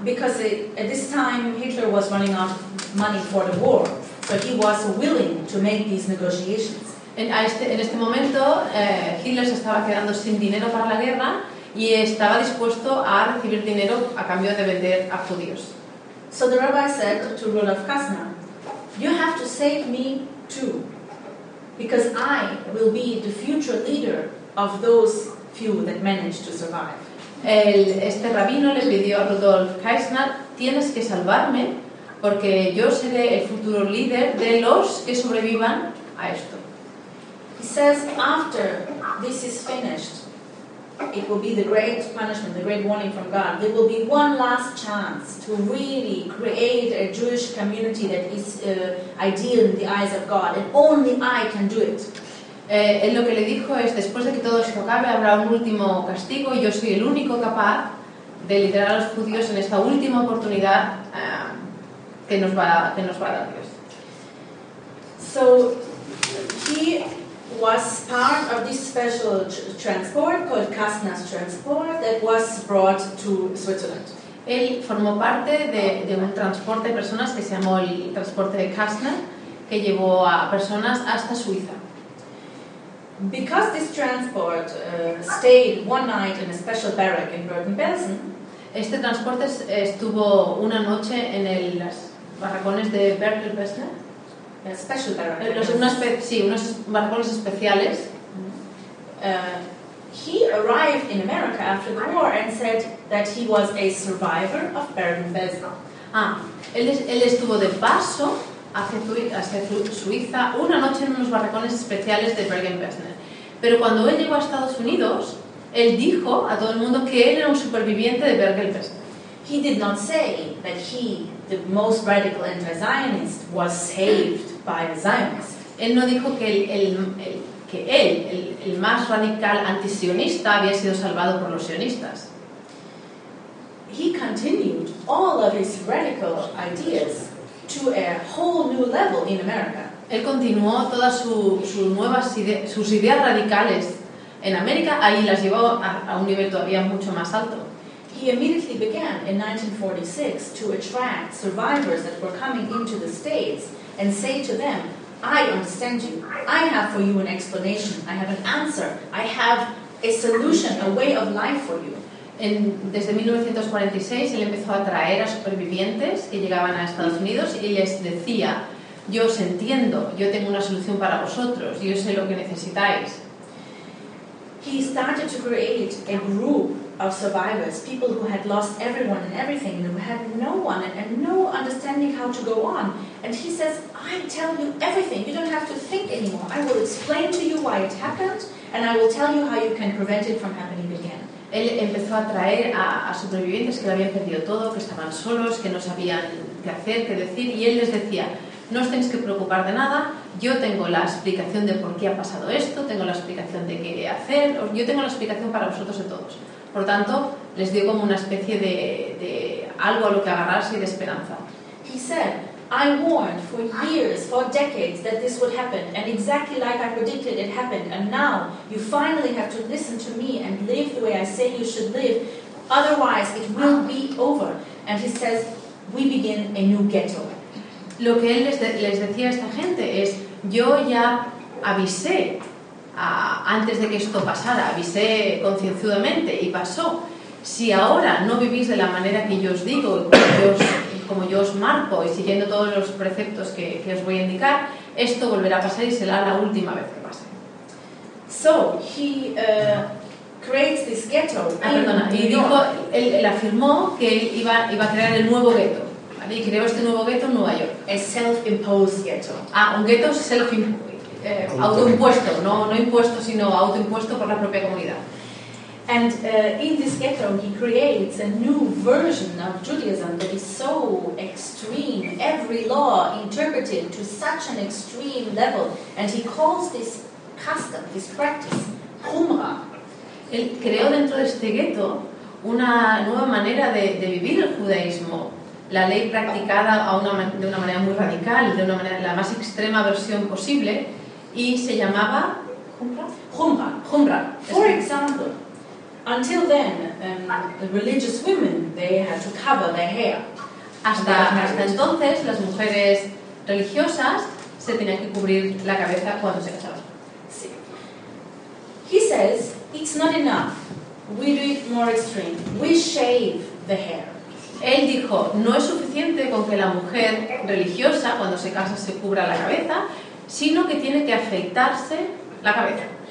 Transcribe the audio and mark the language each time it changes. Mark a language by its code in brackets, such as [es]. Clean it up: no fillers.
[en] Because at this time Hitler was running out of money for the war, so he was willing to make these negotiations. [es] En este momento Hitler se estaba quedando sin dinero para la guerra y estaba dispuesto a recibir dinero a cambio de vender a judíos. [en] So the rabbi said to Rudolf Kastner, "You have to save me too, because I will be the future leader of those few that managed to survive." [es] Este rabino le pidió a Rudolf Kastner, tienes que salvarme porque yo seré el futuro líder de los que sobrevivan a esto. [en] He says, after this is finished, it will be the great punishment, the great warning from God. There will be one last chance to really create a Jewish community that is ideal in the eyes of God, and only I can do it. [es] Él lo que le dijo es, después de que todo esto acabe, habrá un último castigo y yo soy el único capaz de liderar a los judíos en esta última oportunidad que nos va a dar Dios. [en] So he was part of this special transport called Kasna's transport that was brought to Switzerland. [es] Él formó parte de un transporte de personas que se llamó el transporte de Kasna, que llevó a personas hasta Suiza. [en] Because this transport stayed one night in a special barrack in Bergen-Belsen, [es] este transporte estuvo una noche en los barracones de Bergen-Belsen. [en] Special [es] unos barracones especiales. [en] He arrived in America after the war and said that he was a survivor of Bergen-Belsen. [es] Él estuvo de paso hacia Suiza una noche en unos barracones especiales de Bergen-Belsen. Pero cuando él llegó a Estados Unidos, él dijo a todo el mundo que él era un superviviente de Bergen-Belsen. [en] He did not say that he, the most radical anti-Zionist, was saved by the Zionists. [es] Él no dijo que el más radical antisionista había sido salvado por los sionistas. [en] He continued all of his radical ideas to a whole new level in America. [es] Él continuó todas sus ideas radicales en América, ahí las llevó a un nivel todavía mucho más alto. [en] He immediately began in 1946 to attract survivors that were coming into the States and say to them, I understand you, I have for you an explanation, I have an answer, I have a solution, a way of life for you. [es] Desde 1946 él empezó a atraer a supervivientes que llegaban a Estados Unidos y les decía, yo os entiendo, yo tengo una solución para vosotros, yo sé lo que necesitáis. [en] He started to create a group of survivors, people who had lost everyone and everything, and who had no one and no understanding how to go on. And he says, I tell you everything, you don't have to think anymore. I will explain to you why it happened, and I will tell you how you can prevent it from happening again. [es] Él empezó a traer a supervivientes que lo habían perdido todo, que estaban solos, que no sabían qué hacer, qué decir, y él les decía, no os tenéis que preocupar de nada, yo tengo la explicación de por qué ha pasado esto, tengo la explicación de qué hacer, yo tengo la explicación para vosotros de todos. Por tanto, les dio como una especie de algo a lo que agarrarse y de esperanza. [en] He said, I warned for years, for decades, that this would happen, and exactly like I predicted it happened, and now you finally have to listen to me and live the way I say you should live, otherwise it will be over. And he says, we begin a new ghetto. [es] Lo que él les decía a esta gente es, yo ya avisé antes de que esto pasara, avisé concienzudamente y pasó. Si ahora no vivís de la manera que yo os digo, como yo os marco y siguiendo todos los preceptos que os voy a indicar, esto volverá a pasar y será la última vez que pase. [en] So, he creates this ghetto. [es] Él afirmó que él iba a crear el nuevo ghetto. Y creó este nuevo ghetto en Nueva York. [en] A self-imposed ghetto. [es] Ah, un ghetto autoimpuesto. No impuesto, sino autoimpuesto por la propia comunidad. [en] And in this ghetto he creates a new version of Judaism that is so extreme. Every law interpreted to such an extreme level. And he calls this custom, this practice, Chumra. [es] Él creó dentro de este ghetto una nueva manera de vivir el judaísmo. La ley practicada de una manera muy radical, de una manera la más extrema versión posible, y se llamaba Jumra. [en] For example, until then, the religious women, they had to cover their hair. [es] Hasta entonces, las mujeres religiosas se tenían que cubrir la cabeza cuando se casaban. Sí. [en] He says, it's not enough. We do it more extreme. We shave the hair. [es] Él dijo, no es suficiente con que la mujer religiosa, cuando se casa, se cubra la cabeza, sino que tiene que afeitarse la cabeza.